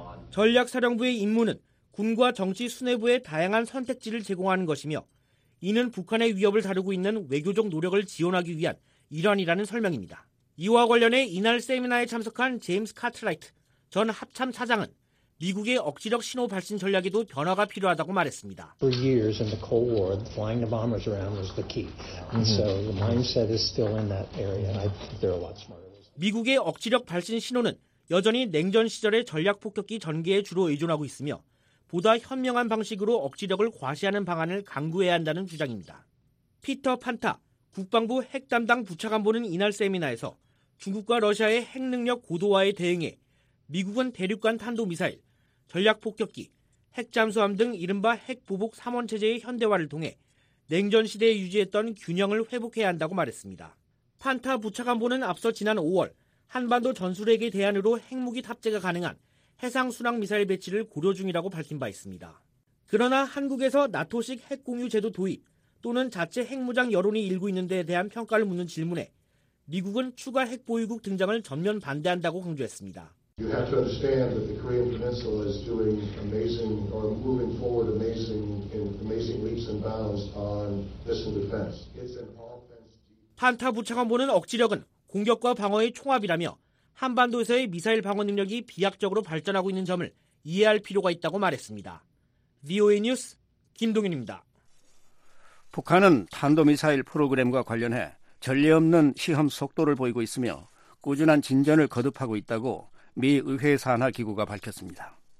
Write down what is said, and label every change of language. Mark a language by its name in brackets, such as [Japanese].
[Korean] 전략사령부의 임무는 군과 정치 수뇌부에 다양한 선택지를 제공하는 것이며 이는 북한의 위협을 다루고 있는 외교적 노력을 지원하기 위한 일환이라는 설명입니다. 이와 관련해 이날 세미나에 참석한 제임스 카트라이트 전 합참 사장은 미국의 억지력 신호 발신 전략에도 변화가 필요하다고 말했습니다. [English] For years in the Cold War, flying the bombers around was the key. And so the mindset is still in that area. And I think they're a lot smarter. [Korean] 미국의 억지력 발신 신호는 여전히 냉전 시절의 전략 폭격기 전개에 주로 의존하고 있으며 보다 현명한 방식으로 억지력을 과시하는 방안을 강구해야 한다는 주장입니다. 피터 판타 국방부 핵 담당 부차관보는 이날 세미나에서 중국과 러시아의 핵 능력 고도화에 대응해 미국은 대륙간 탄도미사일, 전략폭격기, 핵잠수함 등 이른바 핵보복 3원체제의 현대화를 통해 냉전시대에 유지했던 균형을 회복해야 한다고 말했습니다. 판타 부차관보는 앞서 지난 5월 한반도 전술핵에 대안으로 핵무기 탑재가 가능한 해상순항미사일 배치를 고려 중이라고 밝힌 바 있습니다. 그러나 한국에서 나토식 핵공유 제도 도입 또는 자체 핵무장 여론이 일고 있는 데에 대한 평가를 묻는 질문에 미국은 추가 핵보유국 등장을 전면 반대한다고 강조했습니다. [English] You have to understand that the Korean Peninsula is doing amazing or moving forward amazing leaps and bounds on missile defense. It's an offense. [Korean] 판타 부차관보는 억지력은 공격과 방어의 총합이라며 한반도에서의 미사일 방어 능력이 비약적으로 발전하고 있는 점을 이해할 필요가 있다고 말했습니다. VOA 뉴스 김동윤입니다. 북한은 탄도미사일 프로그램과 관련해 전례 없는 시험 속도를 보이고 있으며 꾸준한 진전을 거듭하고 있다고 미 의회 산하기구가 밝혔습니다.